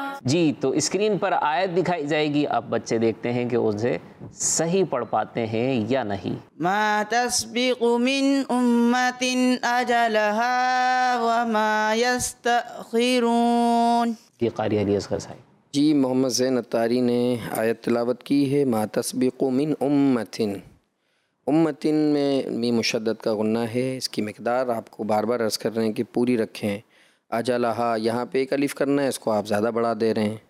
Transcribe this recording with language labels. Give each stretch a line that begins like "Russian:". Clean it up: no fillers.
Urdu: جی تو اسکرین پر آیت دکھائی جائے گی، اب بچے دیکھتے ہیں کہ اسے صحیح پڑھ پاتے ہیں یا نہیں.
Arabic: ما تسبق من امت اجلها وما يستأخرون.
Urdu: یہ قاری علی اصغر صاحب. جی محمد زین عطاری نے آیت تلاوت کی ہے،
Arabic: ما تسبق من امت.
Urdu: امت میں میم مشدد کا غنہ ہے، اس کی مقدار آپ کو بار بار عرض کر رہے ہیں کہ پوری رکھیں. اجلہا یہاں پہ ایک الف کرنا ہے، اس کو آپ زیادہ بڑھا دے رہے ہیں.